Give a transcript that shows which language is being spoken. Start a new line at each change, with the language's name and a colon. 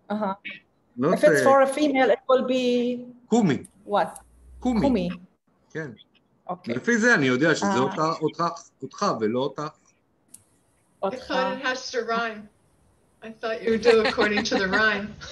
English: If it's for a female, it will be...
Hebrew: Kumi.
English: What?
Hebrew: Kumi. Kumi. כן.
English: Okay.
Hebrew: לפי זה אני יודע שזה אותך, אותך, אותך ולא אותך.
English: I thought it has to rhyme. I thought you would do according to the rhyme.